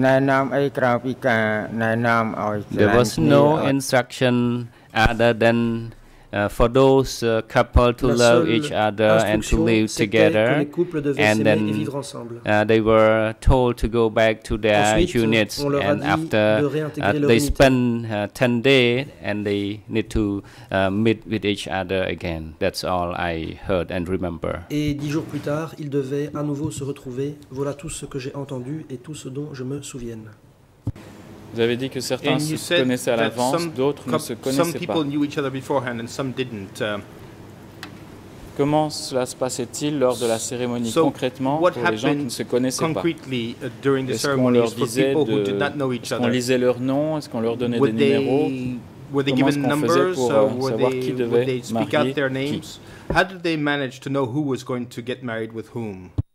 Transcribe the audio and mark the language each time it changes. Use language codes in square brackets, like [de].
[en] There was no instruction other than for those couples to love each other and to live together, and then they were told to go back to their [fr] ensuite, [en] units, and after they spend 10 days and they need to meet with each other again. That's all I heard and remember. [fr] Et 10 jours plus tard, ils devaient à nouveau se retrouver. Voilà tout ce que j'ai entendu et tout ce dont je me souviens. Vous avez dit que certains se connaissaient à l'avance, d'autres ne se connaissaient pas. [en] Some people knew each other beforehand and some didn't. [fr] Comment cela se passait-il lors de la cérémonie concrètement pour les gens qui ne se connaissaient pas? Est-ce qu'on leur disait qu'on lisait leur nom? Est-ce qu'on leur donnait des numéros? [en] Were they given numbers? [fr] Comment est-ce qu'on faisait pour savoir qui devait marier qui? [en] How did they manage to know who was going to get married with whom?